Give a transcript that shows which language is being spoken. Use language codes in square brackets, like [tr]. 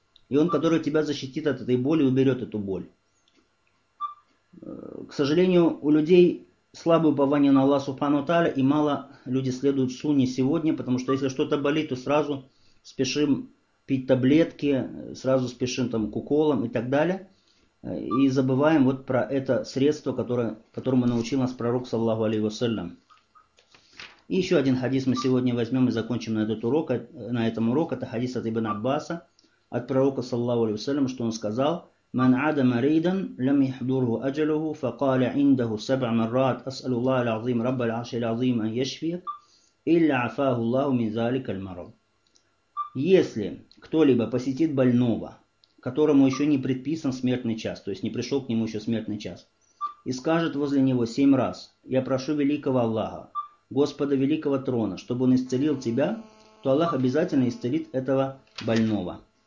[ru] И он, который тебя защитит от этой боли и уберет эту боль. К сожалению, у людей слабое упование на Аллаха субхану тааля, и мало люди следуют сунне сегодня, потому что если что-то болит, то сразу спешим пить таблетки, сразу спешим там к уколам и так далее. И забываем вот про это средство, которому научил нас пророк, саллаллаху алейхи ва саллям. И еще один хадис мы сегодня возьмем и закончим на этом уроке. Это хадис от Ибн Аббаса, от пророка, саллаллаху алейхи ва саллям, что он сказал: [ar] من عاد مريدا لم يحضره أجله فقال عنده سبع مرات أسأل الله العظيم رب العرش العظيم أن يشفيك إلا عفاه الله من ذلك المرض. [ru] Если кто-либо посетит больного, которому еще не предписан смертный час, то есть не пришел к нему еще смертный час, и скажет возле него семь раз: я прошу великого Аллаха, Господа Великого Трона, чтобы он исцелил тебя, то Аллах обязательно исцелит этого больного.